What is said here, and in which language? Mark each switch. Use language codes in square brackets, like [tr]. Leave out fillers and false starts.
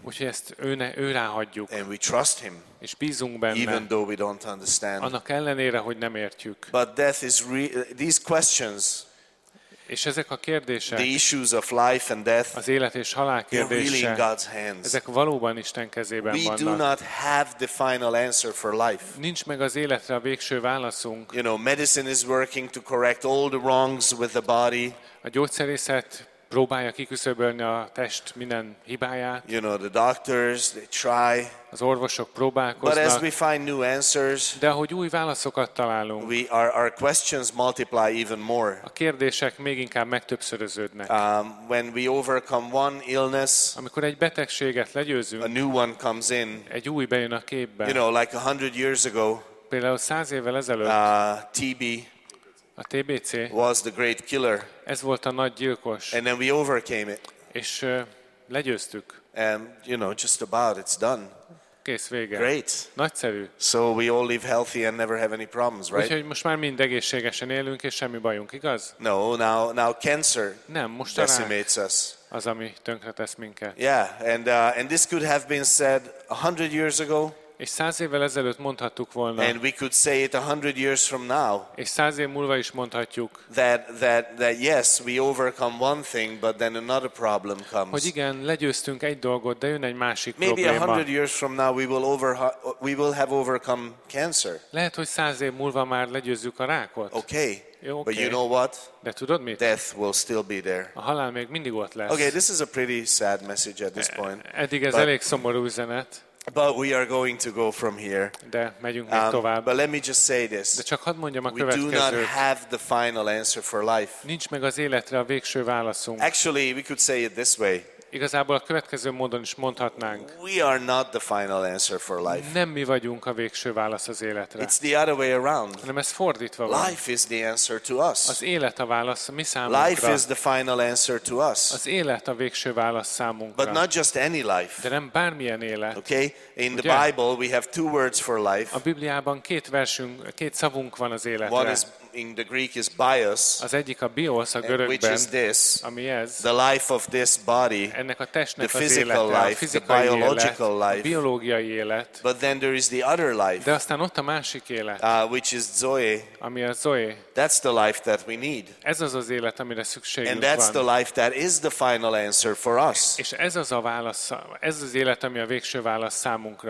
[hu] Úgyhogy ezt ő ráhagyjuk. [en] And we trust him. [hu] És bízunk benne. [en] Even though we don't understand. [hu] Annak ellenére, hogy nem értjük. [en] But death is these questions. [hu] És ezek a kérdések. [en] The issues of life and death. [hu] Az élet és halál kérdése. [en] Really in God's hands. [hu] Ezek valóban Isten kezében [en] we [hu] vannak. [en] We do not have the final answer for life. [hu] Nincs meg az életre a végső válaszunk. [en] You know, medicine is working to correct all the wrongs with the body. [hu] A gyógyszerészet próbálja kiküszöbölni a test minden hibáját. [en] You know, the doctors, they try. [hu] Az orvosok próbálkoznak. [en] But as we find new answers, [hu] de ahogy új válaszokat találunk, [en] our questions multiply even more. [hu] A kérdések még inkább megtöbbszöröződnek. [en] When we overcome one illness, [hu] amikor egy betegséget legyőzünk, [en] a new one comes in. [hu] Egy új bejön a képbe. [en] You know, like 100 years ago, [hu] például 100 évvel ezelőtt, [en] TB, [hu] a TBC [en] was the great killer. [hu] Ez volt a nagy gyilkos. [en] And then we overcame it. [hu] És legyőztük. [en] And you know, just about it's done. [hu] Kész, vége. [en] Great. [hu] Nagyszerű. [en] So we all live healthy and never have any problems, right? [hu] Úgyhogy most már mind egészségesen élünk és semmi bajunk, igaz? [en] No, now cancer. [hu] Nem, most [en] decimates us. [hu] Az, ami tönkretesz minket. [en] Yeah, and this could have been said 100 years ago. [hu] És 100 évvel ezelőtt mondhattuk volna. [en] And we could say it 100 years from now. [hu] És 100 év múlva is mondhatjuk. [en] That yes, we overcome one thing, but then another problem comes. [hu] Hogy igen, legyőztünk egy dolgot, de jön egy másik [en] Maybe [hu] probléma. [en] Maybe 100 years from now we will have overcome cancer. [hu] Lehet, hogy 100 év múlva már legyőzzük a rákot. [en] Okay. [hu] Jó, okay. [en] But you know what? [hu] De tudod mit? [en] Death will still be there. [hu] A halál még mindig ott lesz. [en] Okay, this is a pretty sad message at this point. [hu] Eddig ez elég szomorú üzenet. [en] But we are going to go from here. [hu] De megyünk még tovább. [en] But let me just say this. [hu] De csak hadd mondjam a következőt. [en] We do not have the final answer for life. [hu] Nincs meg az életre a végső válaszunk. [en] Actually, we could say it this way. [hu] Igazából a következő módon is mondhatnánk. [en] We are not the final answer for life. [hu] Nem mi vagyunk a végső válasz az életre. [en] It's the other way around. [hu] Hanem ez fordítva van. [en] Life is the answer to us. [hu] Az élet a válasz mi számunkra. [en] Life is the final answer to us. [hu] Az élet a végső válasz számunkra. [en] But not just any life. [hu] De nem bármilyen élet. [en] Okay? In the Bible we have two words for life. [hu] A Bibliában két szavunk van az életre. [en] One is in the Greek is bios. [hu] Az egyik a bios a görögben. [en] Which is this? [hu] Ami ez. [en] The life of this body. [hu] Ennek a testnek [en] the physical [hu] az élete, [en] life, [hu] a fizikai [en] the biological [hu] élet, [en] life. [hu] A biológiai élet. [en] But then there is the other life. [hu] De aztán ott a másik élet. [en] Which is zoe. [hu] Ami a zoe. [en] That's the life that we need. [hu] Ez az az élet, amire szükségünk van. [en] And that's [hu] van. [en] The life that is the final answer for us. [hu] És ez az a válasz, ez az élet, ami a végső válasz számunkra.